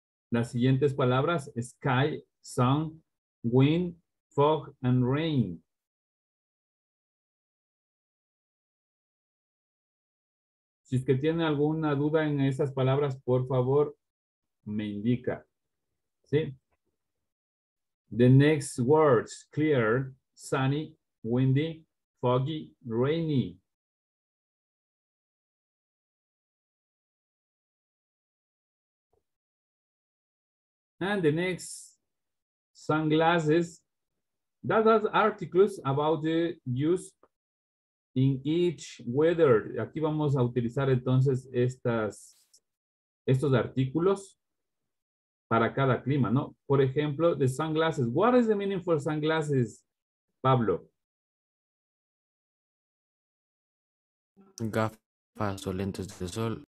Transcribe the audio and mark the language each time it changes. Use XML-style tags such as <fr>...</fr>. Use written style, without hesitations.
<es>Las siguientes palabras,</es> <en>sky, sun, wind, fog, and rain.</en> <es>Si es que tiene alguna duda en esas palabras, por favor, me indica. ¿Sí?</es> <en>The next words, clear, sunny, windy, foggy, rainy. And the next, sunglasses. That are articles about the use in each weather.</en> <es>Aquí vamos a utilizar entonces estos artículos para cada clima, ¿no? Por ejemplo,</es> <en>the sunglasses. What is the meaning for sunglasses, Pablo?</en> <es>Gafas o lentes de sol.</es>